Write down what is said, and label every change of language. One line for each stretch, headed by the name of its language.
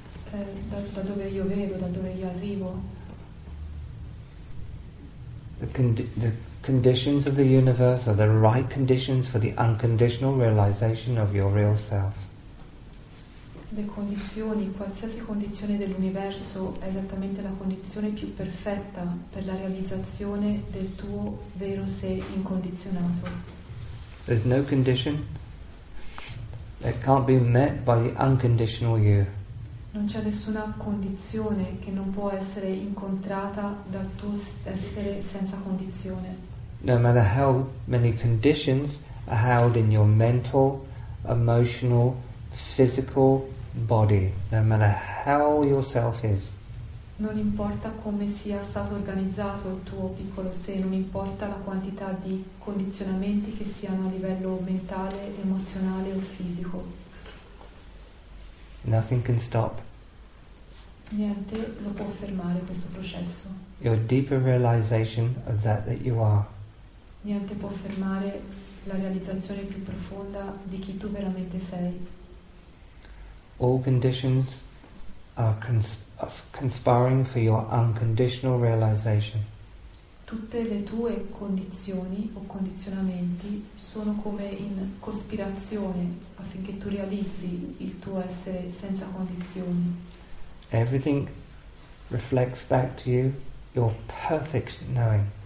Italian: Da dove io vedo, da dove io arrivo.
English: The conditions of the universe are the right conditions for the unconditional realization of your real self.
Italian: Le condizioni, qualsiasi condizione dell'universo è esattamente la condizione più perfetta per la realizzazione del tuo vero sé incondizionato.
English: There's no condition that can't be met by the unconditional you.
Italian: Non c'è nessuna condizione che non può essere incontrata dal tuo essere senza condizione.
English: No matter how many conditions are held in your mental, emotional, physical body, no matter how yourself is.
Italian: Non importa come sia stato organizzato il tuo piccolo sé, non importa la quantità di condizionamenti che siano a livello mentale, emozionale o fisico.
English: Nothing can stop.
Italian: Niente lo può fermare questo processo.
English: Your deeper realization of that that you are.
Italian: Niente può fermare la realizzazione più profonda di chi tu veramente sei.
English: All conditions are conspiring for your unconditional realization.
Italian: Tutte le tue condizioni o condizionamenti sono come in cospirazione affinché tu realizzi il tuo essere senza condizioni.
English: Everything reflects back to you your perfect knowing.